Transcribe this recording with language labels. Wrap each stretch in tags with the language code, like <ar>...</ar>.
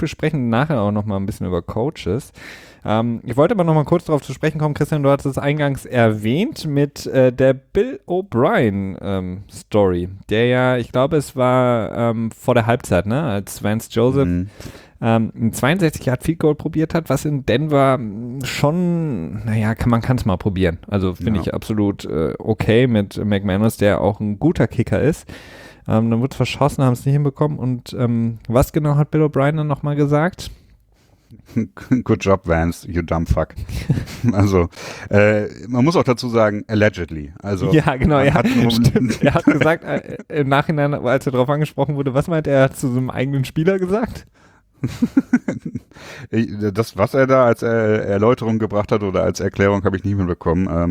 <de>Wir sprechen nachher auch nochmal ein bisschen über Coaches. Ich wollte aber nochmal kurz darauf zu sprechen kommen, Christian, du hast es eingangs erwähnt mit der Bill O'Brien-Story, der ja, ich glaube, es war vor der Halbzeit, ne, als Vance Joseph ein 62-Yard-Field-Goal probiert hat, was in Denver schon, naja, kann es mal probieren. Also finde ich absolut okay mit McManus, der auch ein guter Kicker ist. Dann wurde es verschossen, haben es nicht hinbekommen. Und was genau hat Bill O'Brien dann nochmal gesagt?</de> <en>Good job, Vance, you dumb fuck.</en> <de>Also, man muss auch dazu sagen, allegedly. Also, ja, genau, ja. Er hat gesagt, im Nachhinein, als er darauf angesprochen wurde, was meint er zu seinem eigenen Spieler gesagt? Das, was er da als Erläuterung gebracht hat oder als Erklärung, habe ich nicht mehr bekommen.</de>